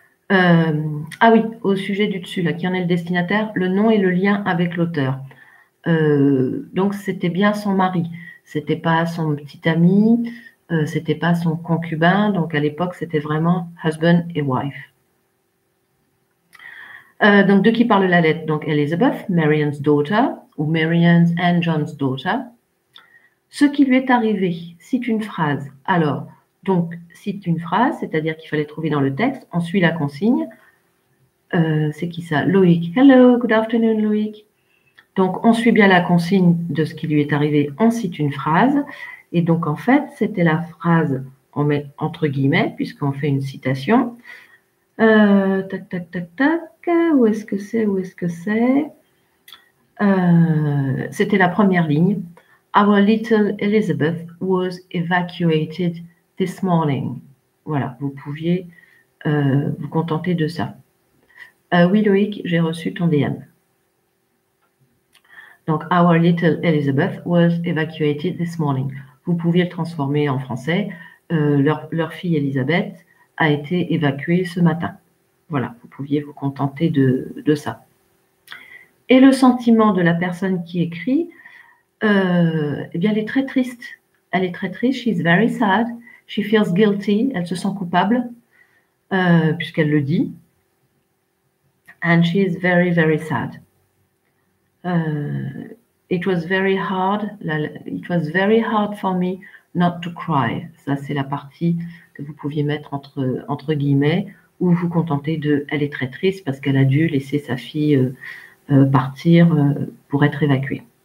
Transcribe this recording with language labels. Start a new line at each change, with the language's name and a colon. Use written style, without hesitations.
French: Ah oui, au sujet du dessus, là, qui en est le destinataire, le nom et le lien avec l'auteur. Donc, c'était bien son mari. C'était pas son petit ami, c'était pas son concubin. Donc, à l'époque, c'était vraiment husband et wife. Donc, de qui parle la lettre?
English: Donc, Elizabeth, Marianne's daughter, ou Marianne's and John's daughter.
French: Ce qui lui est arrivé, cite une phrase. Alors, donc, cite une phrase, c'est-à-dire qu'il fallait trouver dans le texte. On suit la consigne. C'est qui ça? Loïc.
English: Hello, good afternoon, Loïc.
French: Donc, on suit bien la consigne de ce qui lui est arrivé. On cite une phrase. Et donc, en fait, c'était la phrase, on met entre guillemets, puisqu'on fait une citation. Tac, tac, tac, tac. Où est-ce que c'est? Où est-ce que c'est? C'était la première ligne.
English: Our little Elizabeth was evacuated this morning.
French: Voilà, vous pouviez vous contenter de ça. Oui, Loïc, j'ai reçu ton DM.
English: Donc, our little Elizabeth was evacuated this morning.
French: Vous pouviez le transformer en français. Leur fille Elizabeth a été évacuée ce matin. Voilà, vous pouviez vous contenter de ça. Et le sentiment de la personne qui écrit, eh bien, elle est très triste. Elle est très triste.
English: She's very sad. She feels guilty.
French: Elle se sent coupable, puisqu'elle le dit.
English: And she is very, very sad. It was very hard. It was very hard for me not to cry.
French: Ça, c'est la partie que vous pouviez mettre entre guillemets, ou vous contenter de elle est très triste parce qu'elle a dû laisser sa fille partir pour être évacuée.